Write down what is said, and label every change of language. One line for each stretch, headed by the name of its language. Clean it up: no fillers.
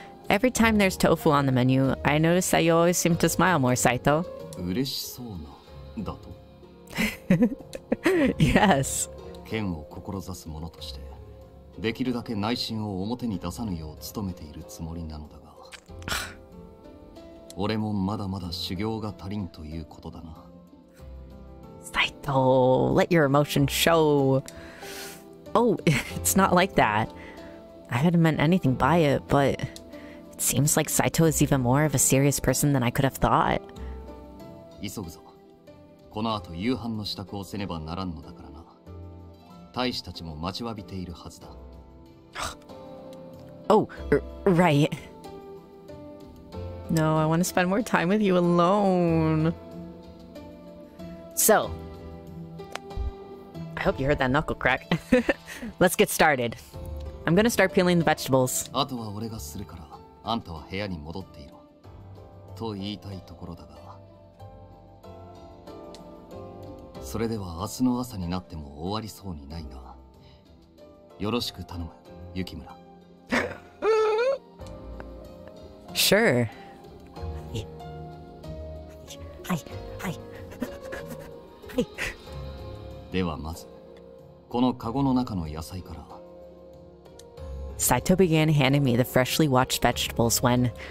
English: Every time there's tofu on the menu, I notice that you always seem to smile more, Saito.
Japanese: 嬉しそうなだと?
English: Yes.
Japanese: 剣を志す者として、できるだけ内心を表に出さぬよう努めているつもりなのだが、俺もまだまだ修行が足りんということだな。Saito,
English: let your emotion show. Oh, it's not like that. I hadn't meant anything by it, but it seems like Saito is even more of a serious person than I could have thought.
Japanese: 急ぐぞ。この後夕飯の支度をせねばならんのだからな。大使たちも待ちわびているはずだ。
English: Oh, right. No, I want to spend more time with you alone. So, I hope you heard that knuckle crack. Let's get started. I'm gonna start peeling the vegetables.
Japanese: あとは俺がするから、あんたは部屋に戻っていろ。と言いたいところだが。それでは明日の朝になっても終わりそうにないな。よろしく頼む、雪村。
English: Sure.
Japanese: ではまず、このカゴの中の野菜から。
English: Saito began handing me the freshly washed vegetables when...